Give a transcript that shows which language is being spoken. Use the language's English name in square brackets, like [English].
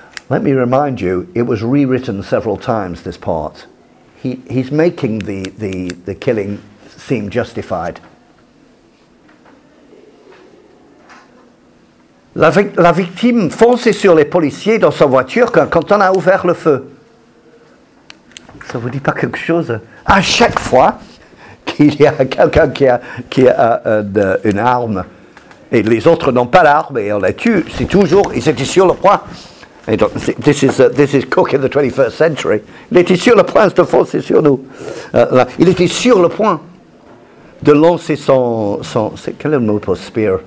[English] Let me remind you, it was rewritten several times. This part, he's making the killing seem justified. [French] La victime fonce sur les policiers dans sa voiture quand on a ouvert le feu. Ça vous dit pas quelque chose? À chaque fois qu'il y a quelqu'un qui a une arme et les autres n'ont pas l'arme et on les tue, c'est toujours, ils étaient sur le point. Et donc, [English] this is Cook in the 21st century. [French] Il était sur le point de foncer sur nous. Il était sur le point de lancer son c'est, quel est le mot pour spear?